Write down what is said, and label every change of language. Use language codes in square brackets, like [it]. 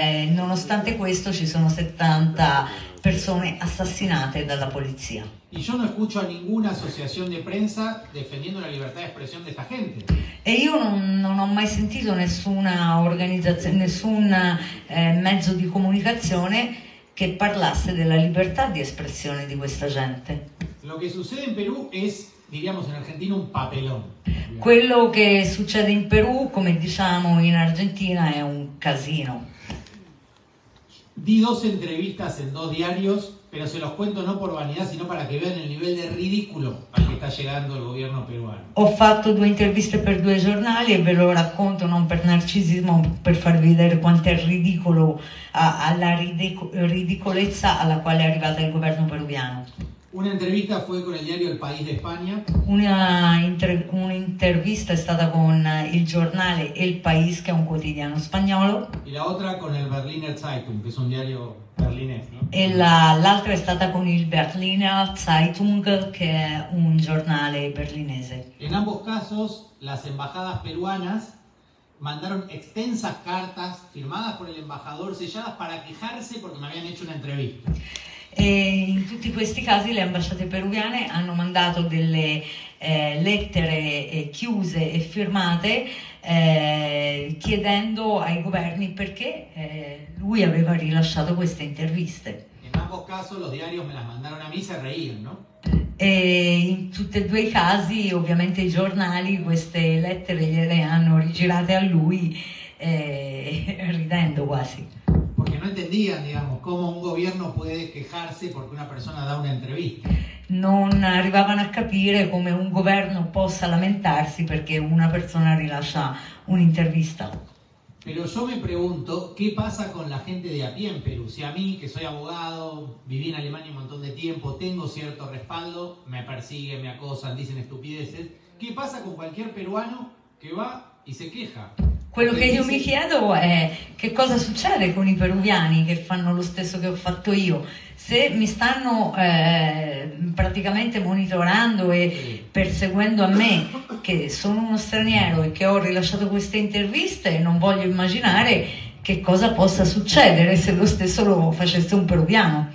[it] Nonostante questo ci sono 70 persone assassinate dalla polizia. [es] Y yo no escucho a ninguna asociación de prensa defendiendo la libertad de expresión de esta gente. [it] E io non ho mai sentito nessuna organizzazione, nessun mezzo di comunicazione che parlasse della libertà di espressione di questa gente. [es] Lo que sucede en Perú es, diríamos en Argentina, un papelón. [it] Quello che succede in Perù, come diciamo in Argentina, è un casino. [es] Di 2 entrevistas en 2 diarios, pero se los cuento no por vanidad, sino para que vean el nivel de ridículo al que está llegando el gobierno peruano. [it] Ho fatto 2 interviste per 2 giornali e ve lo racconto non per narcisismo, per farvi vedere quanto è ridicolo, alla ridicolezza alla quale è arrivata il governo peruviano. [es] Una entrevista fue con el diario El País de España. [it] Un'intervista è stata con il giornale El País, che è un quotidiano spagnolo. [es] Y la otra con el Berliner Zeitung, que es un diario berlinés, ¿no? [it] E l'altra è stata con il Berliner Zeitung, che è un giornale berlinese. [es] En ambos casos, las embajadas peruanas mandaron extensas cartas firmadas por el embajador, selladas para quejarse porque me habían hecho una entrevista. [it] E in tutti questi casi le ambasciate peruviane hanno mandato delle lettere chiuse e firmate chiedendo ai governi perché lui aveva rilasciato queste interviste. In ambo caso [es] los diarios me las mandaron a mí, se reír, ¿no? [it] E in tutti e 2 i casi ovviamente i giornali queste lettere gliele hanno rigirate a lui ridendo quasi. [es] Porque no entendían, digamos, cómo un gobierno puede quejarse porque una persona da una entrevista. [it] Non arrivavano a capire come un governo possa lamentarsi perché una persona rilascia un'intervista. [es] Pero yo me pregunto, ¿qué pasa con la gente de a pie en Perú? Si a mí, que soy abogado, viví en Alemania un montón de tiempo, tengo cierto respaldo, me persiguen, me acosan, dicen estupideces, ¿qué pasa con cualquier peruano que va y se queja? [it] Quello che io mi chiedo è che cosa succede con i peruviani che fanno lo stesso che ho fatto io. Se mi stanno praticamente monitorando e perseguendo a me, che sono uno straniero e che ho rilasciato queste interviste, non voglio immaginare che cosa possa succedere se lo stesso lo facesse un peruviano.